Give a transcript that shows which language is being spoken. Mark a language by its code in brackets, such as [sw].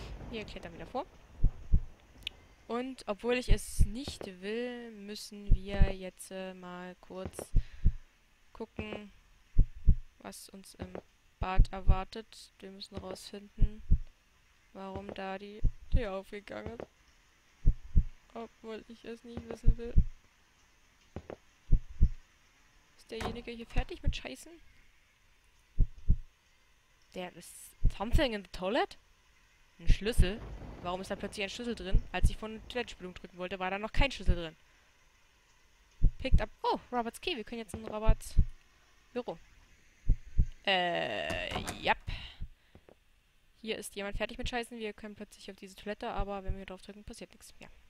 [de] Wir klettern wieder vor. Und obwohl ich es nicht will, müssen wir jetzt mal kurz gucken, was uns im Bad erwartet. Wir müssen rausfinden, warum da die Tür aufgegangen ist. Obwohl ich es nicht wissen will. Ist derjenige hier fertig mit Scheißen? [en] There is something in the toilet? [de] Ein Schlüssel? Warum ist da plötzlich ein Schlüssel drin? Als ich von der Toilettenspülung drücken wollte, war da noch kein Schlüssel drin. [en] Picked up. [de] Oh, Robert's Key. Wir können jetzt in Robert's Büro. Yep. Hier ist jemand fertig mit Scheißen. Wir können plötzlich auf diese Toilette, aber wenn wir drauf drücken, passiert nichts mehr.